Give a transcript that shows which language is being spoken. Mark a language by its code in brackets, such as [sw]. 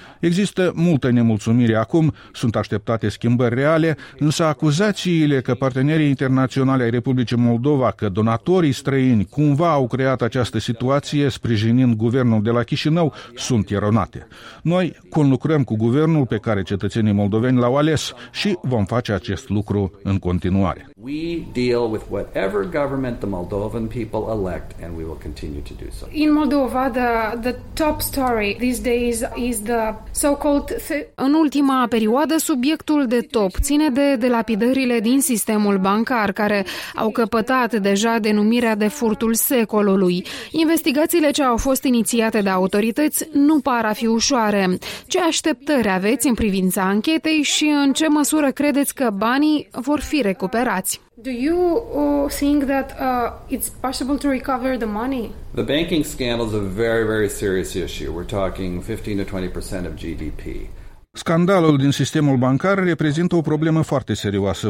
[ro] Există multă nemulțumire acum, sunt așteptate schimbări reale, însă acuzațiile că partenerii internaționali ai Republicii Moldova, că donatorii străini cumva au creat această situație sprijinind guvernul de la Chișinău, sunt eronate. Noi conlucrăm cu guvernul pe care cetățenii moldoveni l-au ales și vom face acest lucru în continuare. [en] We deal with whatever government the Moldovan people elect and we will continue to do so. In Moldova, the top story these days is the so-called. [ro] În ultima perioadă, subiectul de top ține de delapidările din sistemul bancar, care au căpătat deja denumirea de furtul secolului. Investigațiile ce au fost inițiate de autorități nu par a fi ușoare. Ce așteptări aveți în privința anchetei și în ce măsură credeți că banii vor fi recuperați? [en] Do you think that it's possible to recover the money? The banking scandal is a very, very serious issue. We're talking 15-20% of GDP. [ro] Scandalul din sistemul bancar reprezintă o problemă foarte serioasă.